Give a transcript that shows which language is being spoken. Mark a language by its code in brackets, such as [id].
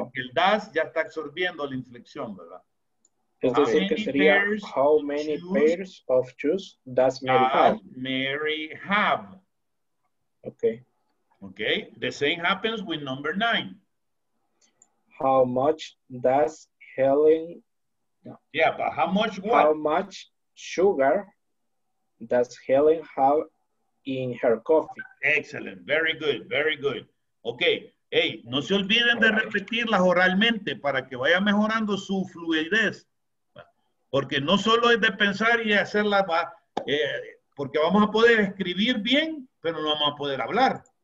[es] Porque el does ya está absorbiendo la inflexión, ¿verdad? Entonces, ¿qué sería? [en] How many pairs of shoes does Mary have? Okay. Okay, the same happens with number nine. How much does Helen... Yeah, but how much what? How much sugar does Helen have in her coffee? Excellent, very good, very good. [es] Okay, hey, no se olviden de repetirlas oralmente para que vaya mejorando su fluidez. Porque no solo es de pensar y hacerla, porque vamos a poder escribir bien, pero no vamos a poder hablar.